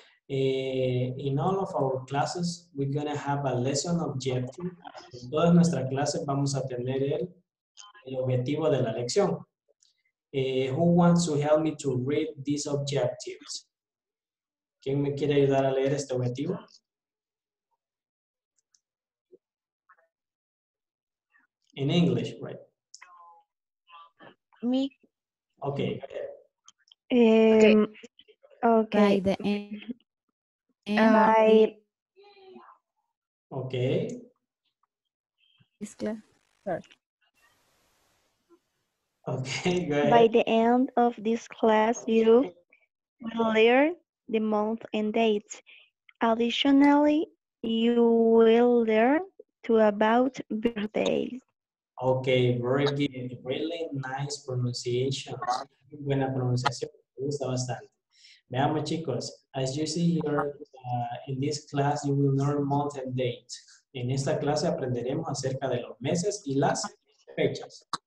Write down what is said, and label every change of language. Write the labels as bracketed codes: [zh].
[en] In all of our classes, we're going to have a lesson objective. [es] En todas nuestras clases vamos a tener el objetivo de la lección. [en] Who wants to help me to read these objectives? [es] ¿Quién me quiere ayudar a leer este objetivo? [en] In English, right? Me. Okay. Okay. By the end. Okay. It's clear. Sorry. Okay, go ahead. By the end of this class, you will learn the month and date. Additionally, you will learn to about birthdays. Okay, very good. Really nice pronunciation. [es] Buena pronunciación. Me gusta bastante. Veamos, chicos. [en] As you see here, in this class, you will learn month and date. [es] En esta clase aprenderemos acerca de los meses y las fechas.